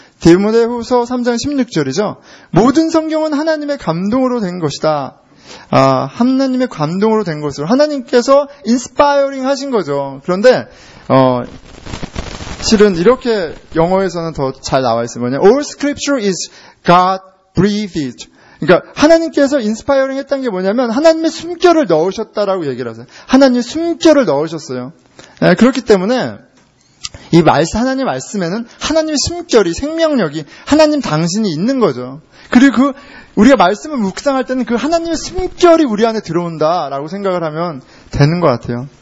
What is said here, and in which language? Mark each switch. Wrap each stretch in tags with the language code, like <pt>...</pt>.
<ko>디모데후서 3장 16절이죠. 모든 성경은 하나님의 감동으로 된 것이다. 하나님의 감동으로 된 것으로 하나님께서 인스파이어링 하신 거죠. 그런데 실은 이렇게 영어에서는 더 잘 나와 있어요. 뭐냐?</ko> <en>All scripture is God breathed.</en> <ko>그러니까 하나님께서 인스파이어링 했다는 게 뭐냐면 하나님의 숨결을 넣으셨다라고 얘기를 하세요. 하나님의 숨결을 넣으셨어요. 그렇기 때문에 이 말씀 하나님 말씀에는 하나님의 숨결이 생명력이 하나님 당신이 있는 거죠. 그리고 그 우리가 말씀을 묵상할 때는 그 하나님의 숨결이 우리 안에 들어온다라고 생각을 하면 되는 것 같아요.</ko>